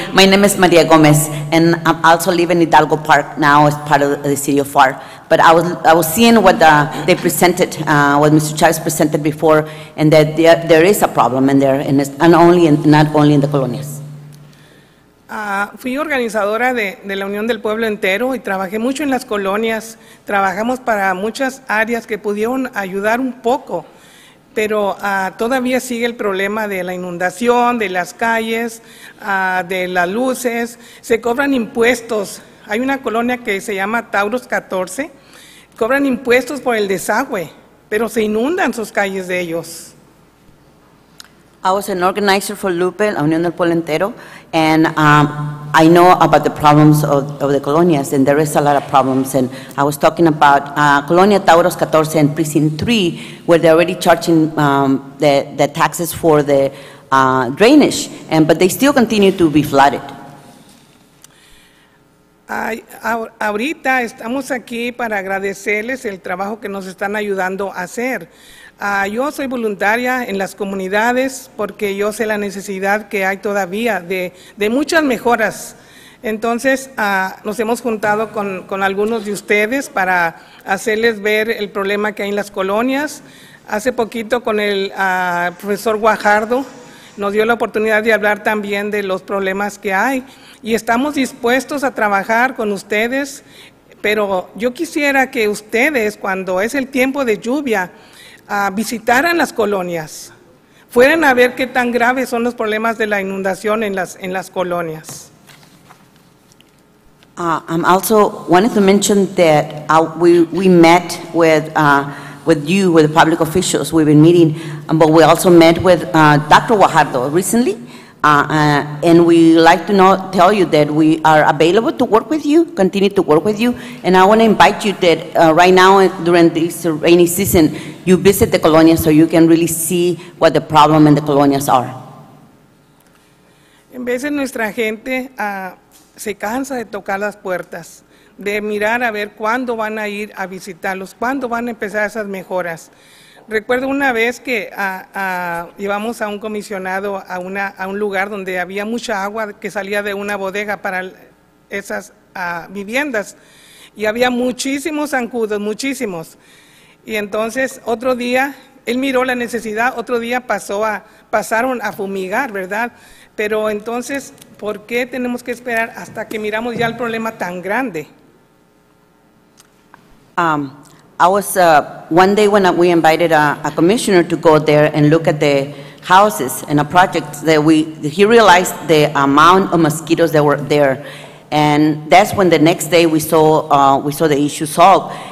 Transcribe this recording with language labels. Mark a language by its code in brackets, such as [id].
[en] My name is Maria Gomez, and I also live in Hidalgo Park now as part of the city of FAR. But I was seeing what they presented, what Mr. Chavez presented before, and that there is a problem in there, and it's not only in the colonias. [es] Fui organizadora de la Unión del Pueblo Entero y trabajé mucho en las colonias. Trabajamos para muchas áreas que pudieron ayudar un poco. Pero todavía sigue el problema de la inundación, de las calles, de las luces. Se cobran impuestos. Hay una colonia que se llama Taurus 14. Cobran impuestos por el desagüe, pero se inundan sus calles de ellos. [en] I was an organizer for Lupe, La Unión del Pueblo Entero, and I know about the problems of the colonias, and there is a lot of problems. And I was talking about Colonia Tauros 14 and Precinct 3, where they're already charging the taxes for the drainage, and but they still continue to be flooded. [es] Ahorita estamos aquí para agradecerles el trabajo que nos están ayudando a hacer. Yo soy voluntaria en las comunidades porque yo sé la necesidad que hay todavía de muchas mejoras. Entonces, nos hemos juntado con algunos de ustedes para hacerles ver el problema que hay en las colonias. Hace poquito con el profesor Guajardo nos dio la oportunidad de hablar también de los problemas que hay. Y estamos dispuestos a trabajar con ustedes, pero yo quisiera que ustedes, cuando es el tiempo de lluvia, visitaran las colonias, fueran a ver qué tan graves son los problemas de la inundación en las colonias. [en] I'm also wanted to mention that we met with you, with the public officials. We've been meeting, but we also met with Dr. Guajardo recently, and we like to know, tell you that we are available to work with you, continue to work with you, and I want to invite you that right now during this rainy season, you visit the colonia so you can really see what the problem in the colonias are. [es] En veces nuestra gente se cansa de tocar las puertas, de mirar a ver cuándo van a ir a visitarlos, cuándo van a empezar esas mejoras. Recuerdo una vez que llevamos a un comisionado a un lugar donde había mucha agua que salía de una bodega para esas viviendas y había muchísimos zancudos, muchísimos. Y entonces otro día, él miró la necesidad, otro día pasaron a fumigar, ¿verdad? Pero entonces, ¿por qué tenemos que esperar hasta que miramos ya el problema tan grande? [en] I was one day when we invited a commissioner to go there and look at the houses and a project that he realized the amount of mosquitoes that were there, and that's when the next day we saw the issue solved.